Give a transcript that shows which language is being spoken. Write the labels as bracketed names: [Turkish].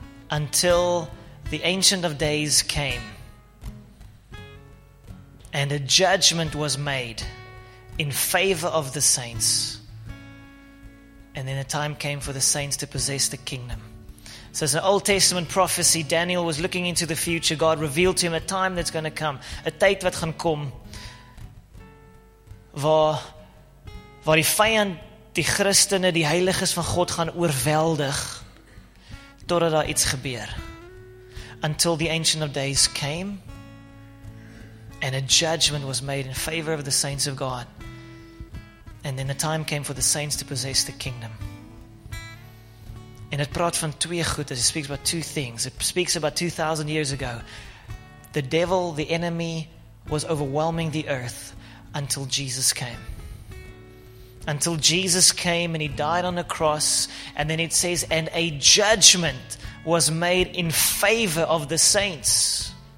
[English] Until the Ancient of Days came and a judgment was made in favor of the saints. And then the time came for the saints to possess the kingdom. So it's an Old Testament prophecy. Daniel was looking into the future. God revealed to him a time that's going to come. [Afrikaans] A tyd wat gaan kom. Waar die vyand, die Christene, die heiliges van God gaan oorweldig. Totdat daar iets gebeur. [English] Until the Ancient of Days came. And a judgment was made in favor of the saints of God. And then the time came for the saints to possess the kingdom. [Afrikaans] En het praat van twee goed, [English] it speaks about two things. It speaks about 2,000 years ago. The devil, the enemy, was overwhelming the earth until Jesus came. Until Jesus came and he died on the cross. And then it says, and a judgment was made in favor of the saints.